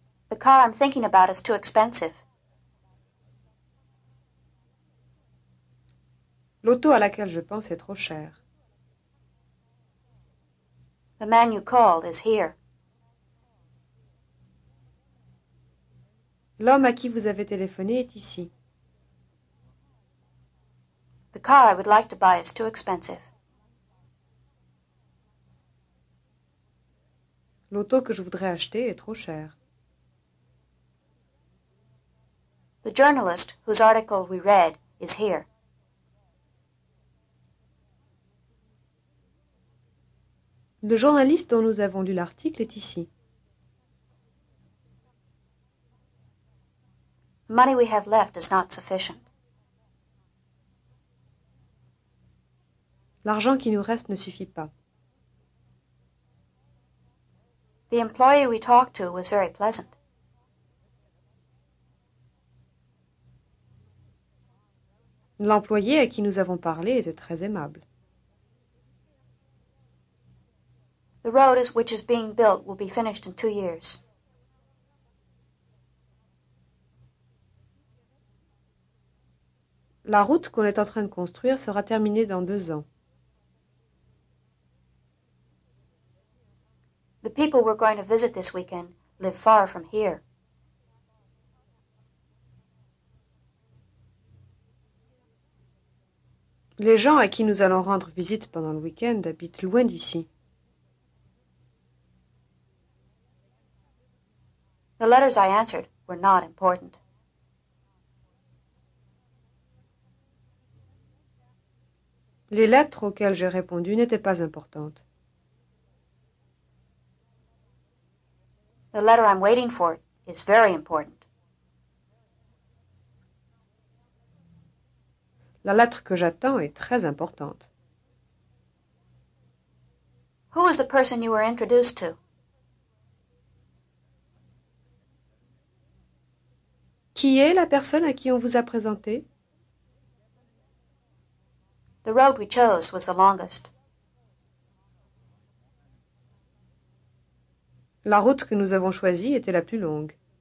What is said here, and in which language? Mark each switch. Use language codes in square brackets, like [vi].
[en] The car I'm thinking about is too expensive. [fr] L'auto à laquelle je pense est trop chère. [en] The man you called is here. [fr] L'homme à qui vous avez téléphoné est ici. [en] The car I would like to buy is too expensive. [fr] L'auto que je voudrais acheter est trop chère. [en] The journalist whose article we read is here. [fr] Le journaliste dont nous avons lu l'article est ici. [en] The money we have left is not sufficient. [fr] L'argent qui nous reste ne suffit pas. [en] The employee we talked to was very pleasant. [fr] L'employé à qui nous avons parlé était très aimable. [en] The road which is being built will be finished in 2 years. [fr] La route qu'on est en train de construire sera terminée dans 2 ans. [en] The people we're going to visit this weekend live far from here. [fr] Les gens à qui nous allons rendre visite pendant le week-end habitent loin d'ici. [en] The letters I answered were not important. [fr] Les lettres auxquelles j'ai répondu n'étaient pas importantes. [en] The letter I'm waiting for is very important. [fr] La lettre que j'attends est très importante. [en] Who was the person you were introduced to? [fr] Qui est la personne à qui on vous a présenté? [en] The road we chose was the longest. [fr] La route que nous avons choisie était la plus longue.